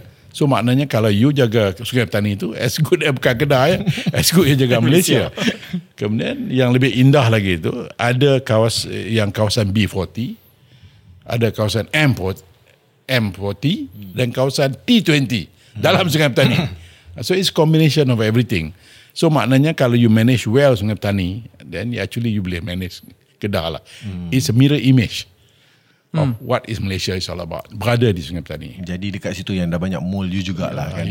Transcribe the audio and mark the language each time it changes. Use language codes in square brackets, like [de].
[ms] So maknanya kalau you jaga Sungai Petani itu, [en] as good as [ms] bukan kedai, as good you jaga Malaysia. Kemudian yang lebih indah lagi itu, ada kawasan B40, ada kawasan M40 dan kawasan T20 dalam Sungai Petani. [en] So it's combination of everything. So [ms] maknanya kalau [en] you manage well Sungai Petani, then actually you [ms] boleh [en] manage Kedah lah. It's a mirror image of what is Malaysia is all about, [ms] berada di Sungai Petani. Jadi dekat situ yang dah banyak mole you jugalah.